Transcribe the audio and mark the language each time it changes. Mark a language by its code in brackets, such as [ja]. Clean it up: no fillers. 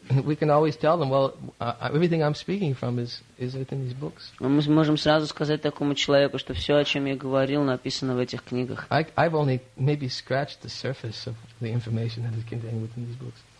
[en] we can always tell them, well, everything I'm speaking from is within these books. [ru] Мы можем сразу сказать такому человеку, что все, о чем я говорил, написано в этих книгах. [en] I've only maybe scratched the surface of the information that is contained within these books.